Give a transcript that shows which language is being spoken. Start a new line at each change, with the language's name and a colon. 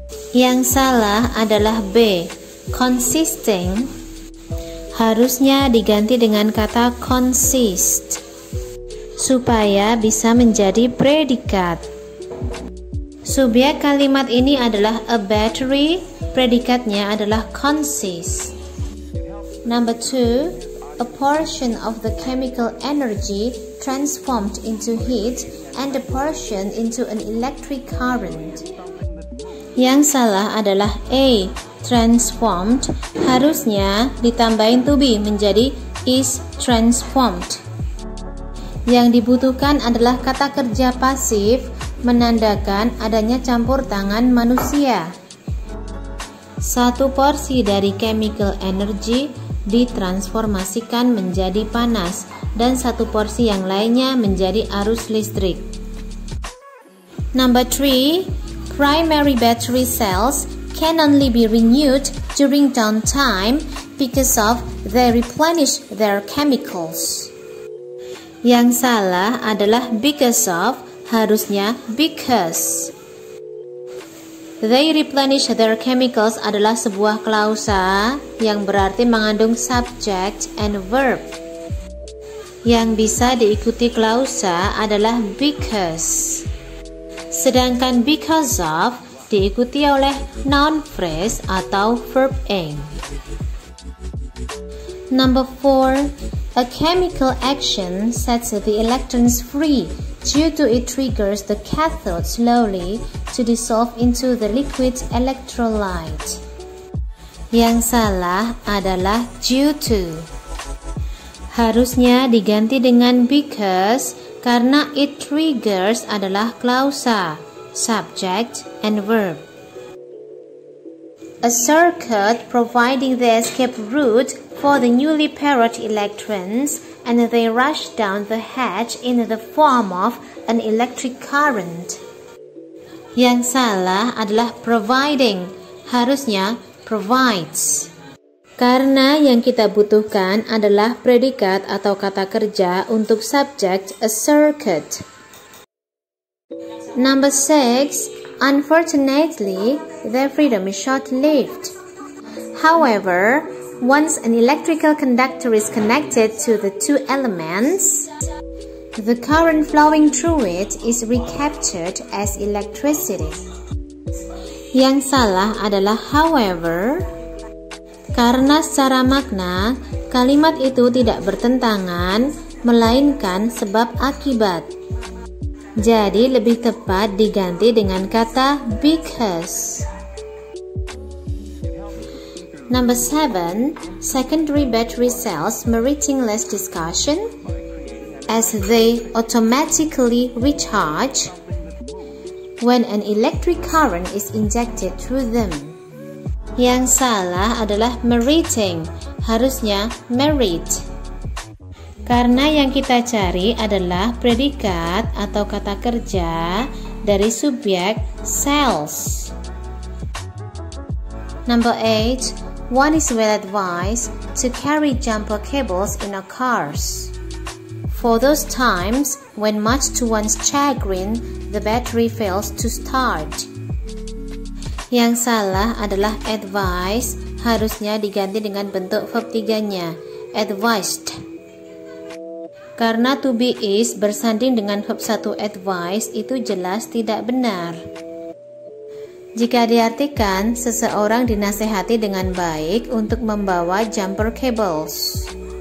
Indonesian: Yang salah adalah B, consisting. Harusnya diganti dengan kata consist supaya bisa menjadi predikat. Subjek kalimat ini adalah a battery, predikatnya adalah consist.
English: Number 2, a portion of the chemical energy transformed into heat and a portion into an electric current.
Indonesian: Yang salah adalah A, transformed. Harusnya ditambahin to be menjadi
English: is transformed.
Indonesian: Yang dibutuhkan adalah kata kerja pasif menandakan adanya campur tangan manusia. Satu porsi dari
English: chemical energy
Indonesian: ditransformasikan menjadi panas dan satu porsi yang lainnya menjadi arus listrik.
English: Number 3, primary battery cells can only be renewed during downtime because of they replenish their chemicals.
Indonesian: Yang salah adalah because of, harusnya because.
English: They replenish their chemicals
Indonesian: adalah sebuah klausa yang berarti mengandung
English: subject and verb.
Indonesian: Yang bisa diikuti klausa adalah because. Sedangkan because of diikuti oleh
English: noun phrase
Indonesian: atau verb ing.
English: Number 4. A chemical action sets the electrons free due to it triggers the cathode slowly to dissolve into the liquid electrolyte.
Indonesian: Yang salah adalah due to. Harusnya diganti dengan because karena
English: it triggers
Indonesian: adalah klausa, subject, and verb.
English: A circuit providing the escape route for the newly paired electrons and they rush down the hatch in the form of an electric current.
Indonesian: Yang salah adalah providing, harusnya provides. Karena yang kita butuhkan adalah predikat atau kata kerja untuk subject, a circuit.
English: Number 6, unfortunately, their freedom is short-lived. However, once an electrical conductor is connected to the two elements, the current flowing through it is recaptured as electricity.
Indonesian: Yang salah adalah however. Karena secara makna, kalimat itu tidak bertentangan, melainkan sebab akibat. Jadi lebih tepat diganti dengan kata because.
English: Number 7, secondary battery cells meriting less discussion as they automatically recharge when an electric current is injected through them.
Indonesian: Yang salah adalah meriting, harusnya merit. Karena yang kita cari adalah predikat atau kata kerja dari subjek cells.
English: Number 8, one is well advised to carry jumper cables in our cars. For those times when much to one's chagrin, the battery fails to start.
Indonesian: Yang salah adalah advice, harusnya diganti dengan bentuk verb tiganya, advised. Karena to be is bersanding dengan verb satu advice, itu jelas tidak benar. Jika diartikan, seseorang dinasehati dengan baik untuk membawa jumper cables.